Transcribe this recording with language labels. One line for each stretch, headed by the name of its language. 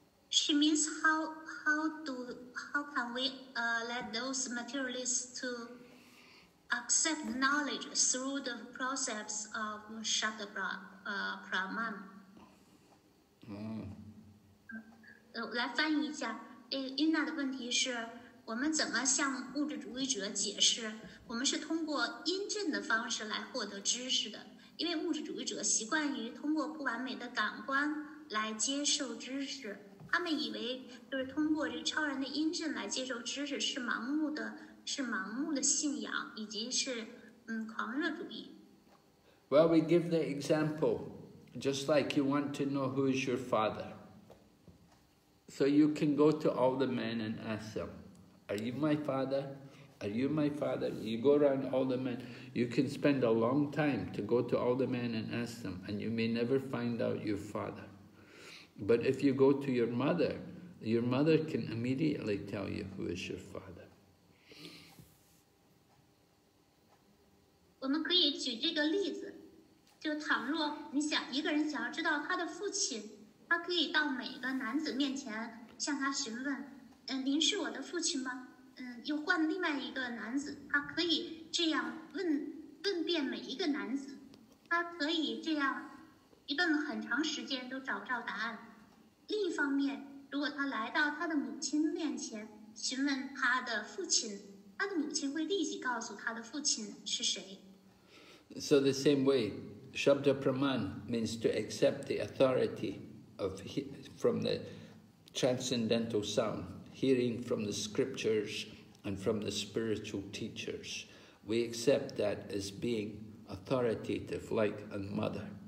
English: She means how can we let those materialists to accept knowledge through the process of Shabda Praman?
Sanskrit: Praman.
Chinese: 来翻译一下，Yuna的问题是，我们怎么向物质主义者解释，我们是通过因证的方式来获得知识的，因为物质主义者习惯于通过不完美的感官来接受知识，他们以为就是通过这超然的因证来接受知识是盲目的信仰，以及是狂热主义。
English: Well, we give the example, just like you want to know who is your father. So you can go to all the men and ask them, are you my father? Are you my father? You go around all the men. You can spend a long time to go to all the men and ask them, and you may never find out your father. But if you go to your mother can immediately tell you who is your father.
Chinese: 我们可以举这个例子，就倘若你想一个人想要知道他的父亲，他可以到每个男子面前向他询问，您是我的父亲吗？又换另外一个男子，他可以这样问遍每一个男子，他可以这样一段很长时间都找不到答案。另一方面，如果他来到他的母亲面前询问他的父亲，他的母亲会立即告诉他的父亲是谁。
English: So the same way, Shabda Praman means to accept the authority of from the transcendental sound, hearing from the scriptures and from the spiritual teachers. We accept that as being authoritative, like a mother.